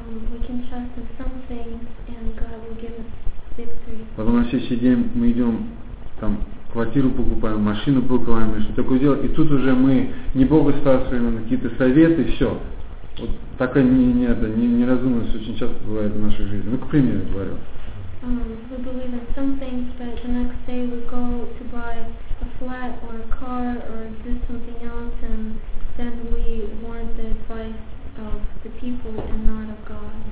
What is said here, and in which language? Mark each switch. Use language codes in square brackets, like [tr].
[en] We can trust in some things and God will give us victory. [ru] Потом на следующий день мы идем там. Квартиру покупаем, машину покупаем, и что такое делать. И тут уже мы не Бога спрашиваем, а какие-то советы, и все. Вот такая неразумность очень часто бывает в нашей жизни. Ну, к примеру, говорю. [en] We believe in some things, but the next day we go to buy a flat or a car or do something else, and then we want the advice of the people and not of God.